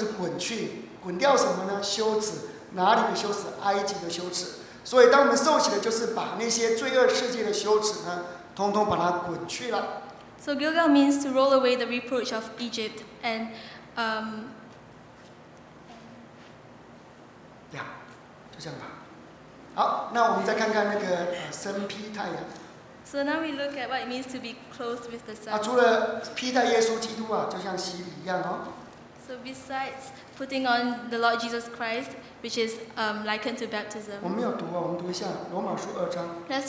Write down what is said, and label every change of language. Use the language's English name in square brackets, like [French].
[Chinese] 所以呢，即将就是滚去，滚掉什么呢？羞耻。哪里的羞耻？埃及的羞耻。所以，当我们受洗的，就是把那些罪恶世界的羞耻呢，通通把它滚去了。So [English] Gilgal means to roll away the reproach of Egypt, and [Chinese] yeah, 就这样吧。好，那我们再看看那个神披太阳。So [English] now we look at what it means to be clothed with the sun. [Chinese] 除了披戴耶稣基督啊，就像洗礼一样哦。 [English] So besides putting on the Lord Jesus Christ, which is likened to baptism. [Chinese] 我们没有读啊，我们读一下罗马书二章。Let's